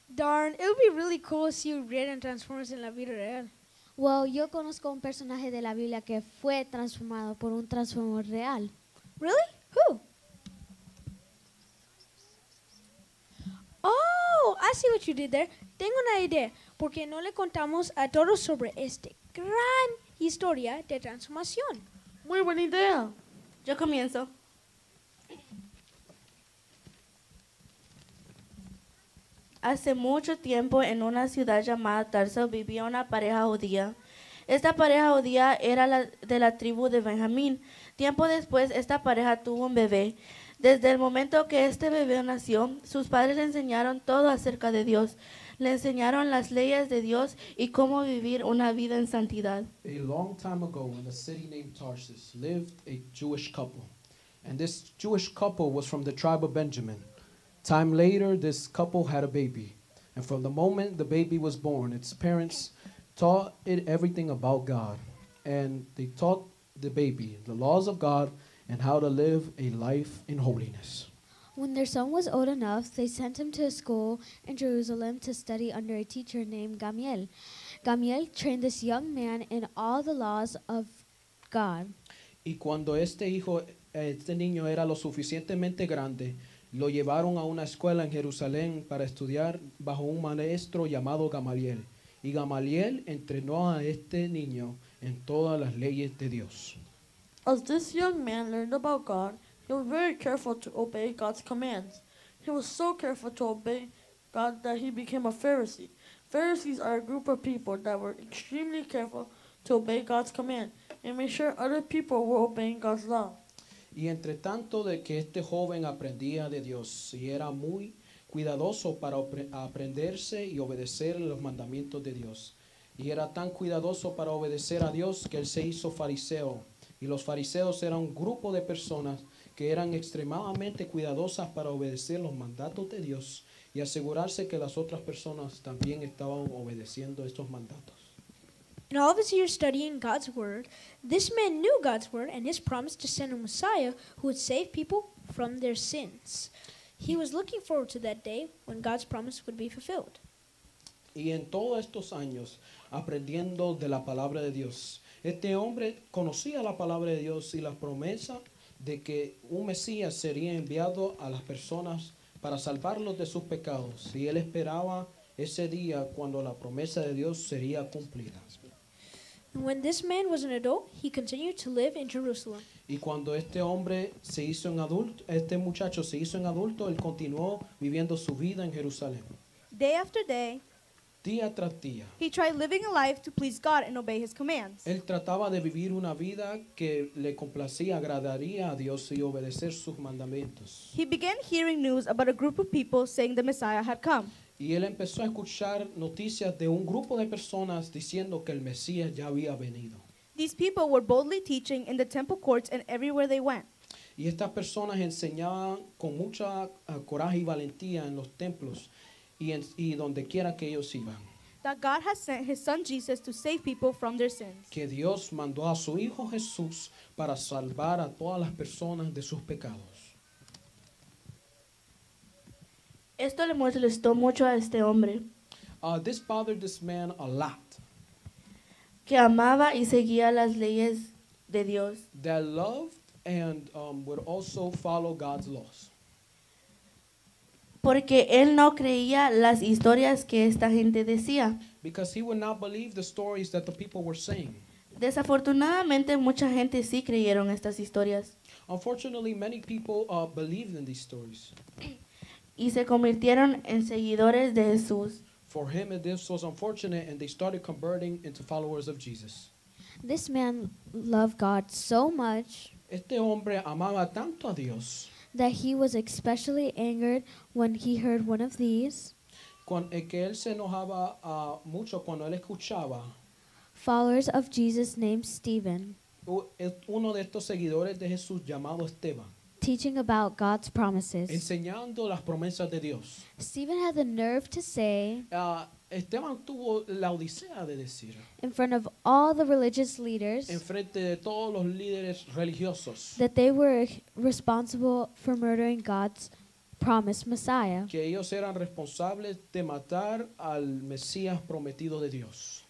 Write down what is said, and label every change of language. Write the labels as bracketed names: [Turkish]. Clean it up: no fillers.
[English] Darn, it would be really cool if you read in Transformers [Spanish] en la vida real. Well, yo conozco un personaje de la Biblia que fue transformado por un Transformer real. [English] Really? Who? Oh, I see what you did there. [Spanish] Tengo una idea. ¿Por qué no le contamos a todos sobre esta gran historia de transformación? Muy buena idea. Yo comienzo. Hace mucho tiempo, en una ciudad llamada Tarso, vivía una pareja judía. Esta pareja judía era de la tribu de Benjamín. Tiempo después, esta pareja tuvo un bebé. Desde el momento que este bebé nació, sus padres le enseñaron todo acerca de Dios. Le enseñaron las leyes de Dios y cómo vivir una vida en santidad. [English] A long time ago, in a city named Tarsus, lived a Jewish couple. And this Jewish couple was from the tribe of Benjamin. Time later, this couple had a baby, and from the moment the baby was born, its parents taught it everything about God, and they taught the baby the laws of God and how to live a life in holiness. When their son was old enough, they sent him to a school in Jerusalem to study under a teacher named Gamaliel. Gamaliel trained this young man in all the laws of God. [Spanish] Y cuando este niño era lo suficientemente grande, lo llevaron a una escuela en Jerusalén para estudiar bajo un maestro llamado Gamaliel. Y Gamaliel entrenó a este niño en todas las leyes de Dios. [English] As this young man learned about God, he was very careful to obey God's commands. He was so careful to obey God that he became a Pharisee. Pharisees are a group of people that were extremely careful to obey God's command and make sure other people were obeying God's law. [Spanish] Y entre tanto de que este joven aprendía de Dios y era muy cuidadoso para aprenderse y obedecer los mandamientos de Dios. Y era tan cuidadoso para obedecer a Dios que él se hizo fariseo. Y los fariseos eran un grupo de personas que eran extremadamente cuidadosas para obedecer los mandatos de Dios y asegurarse que las otras personas también estaban obedeciendo estos mandatos. [English] In all of his years studying God's word, this man knew God's word and his promise to send a Messiah who would save people from their sins. He was looking forward to that day when God's promise would be fulfilled. [Spanish] Y en todos estos años, aprendiendo de la palabra de Dios, este hombre conocía la palabra de Dios y la promesa de que un Mesías sería enviado a las personas para salvarlos de sus pecados. Y él esperaba ese día cuando la promesa de Dios sería cumplida. [English] And when this man was an adult, he continued to live in Jerusalem. [Spanish] Y cuando este hombre se hizo un adulto, este muchacho se hizo un adulto, él continuó viviendo su vida en Jerusalén. [English] Day after day, [Spanish] día tras día, [English] he tried living a life to please God and obey his commands. [Spanish] Él trataba de vivir una vida que le complacía, agradaría a Dios y obedecer sus mandamientos. [English] He began hearing news about a group of people saying the Messiah had come. [Spanish] Y él empezó a escuchar noticias de un grupo de personas diciendo que el Mesías ya había venido. [English] These people were boldly teaching in the temple courts and everywhere they went. [Spanish] Y estas personas enseñaban con mucha coraje y valentía en los templos y donde quiera que ellos iban. [English] That God has sent his son Jesus to save people from their sins. [Spanish] Que Dios mandó a su hijo Jesús para salvar a todas las personas de sus pecados. Esto le molestó mucho a este hombre. [English] This bothered this man a lot. [Spanish] Que amaba y seguía las leyes de Dios. [English] That loved and would also follow God's laws. [Spanish] Porque él no creía las historias que esta gente decía. [English] Because he would not believe the stories that the people were saying. [Spanish] Desafortunadamente, mucha gente sí creyeron estas historias. [English] Unfortunately, many people believed in these stories. [Spanish] Y se convirtieron en seguidores de Jesús. [English] For him, this was unfortunate, and they started converting into followers of Jesus. This man loved God so much. [Spanish] Este hombre amaba tanto a Dios. [English] That he was especially angered when he heard one of these. [Spanish] Que él se enojaba mucho cuando él escuchaba. [English] Followers of Jesus named Stephen. [Spanish] Uno de estos seguidores de Jesús llamado Esteban. [English] Teaching about God's promises. [Spanish] Enseñando las promesas de Dios. [English] Stephen had the nerve to say. [Spanish] Esteban tuvo la odisea de decir. [English] In front of all the religious leaders. [Spanish] En frente de todos los líderes religiosos. [English] That they were responsible for murdering God's promised Messiah. [Spanish] Que ellos eran responsables de matar al Mesías prometido de Dios.